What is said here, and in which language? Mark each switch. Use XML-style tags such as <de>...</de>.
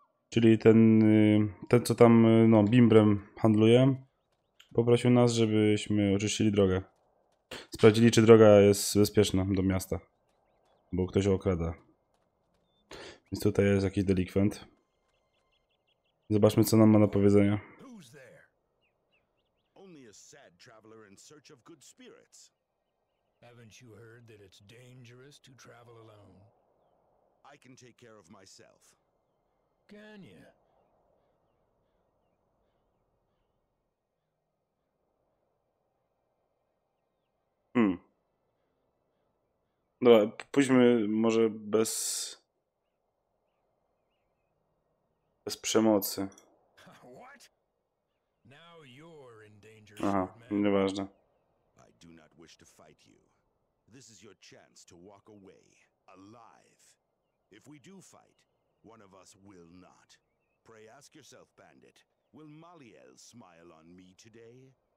<pl>Czyli ten co tam, no, bimbrem handluje, poprosił nas, żebyśmy oczyścili drogę. Sprawdzili, czy droga jest bezpieczna do miasta, bo ktoś ją okrada. Więc tutaj jest jakiś delikwent. Zobaczmy, co nam ma do powiedzenia.</pl> <en>Only a sad traveler in search of good spirits. Haven't you heard that it's dangerous to travel alone? I can take care of myself. Can you?</en> <pl>Dobra, pójdźmy może bez przemocy.</pl> <en>What? Now you're in danger, Aha, short man.</en> <pl>nieważne.</pl> <en>I do not wish to fight you. This is your chance to walk away alive. If we do fight, one of us will not. Pray ask yourself, bandit, will Maliel smile on me today?</en>